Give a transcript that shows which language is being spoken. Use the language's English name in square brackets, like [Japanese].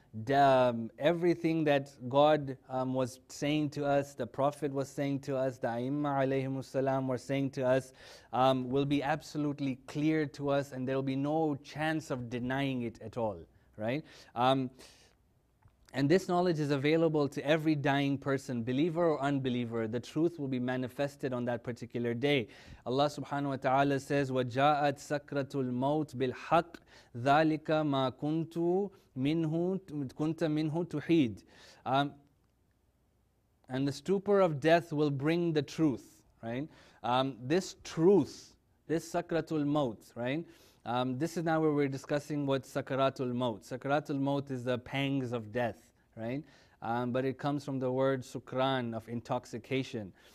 [English] Everything that God was saying to us, the Prophet was saying to us, the A'imma alayhim as-salam were saying to us, will be absolutely clear to us, and there will be no chance of denying it at all, right? And this knowledge is available to every dying person, believer or unbeliever. The truth will be manifested on that particular day. Allah subhanahu wa ta'ala says, [Arabic] وَجَاءَتْ سَكْرَةُ الْمَوْتِ بِالْحَقِّ ذَلِكَ مَا كُنْتَ مِنْهُ تُحِيد. [English] And the stupor of death will bring the truth, right? This truth, this sakratul maut, right? This is now where we're discussing what sakaratul maut. Sakaratul maut is the pangs of death, right? But it comes from the word sukran, of intoxication.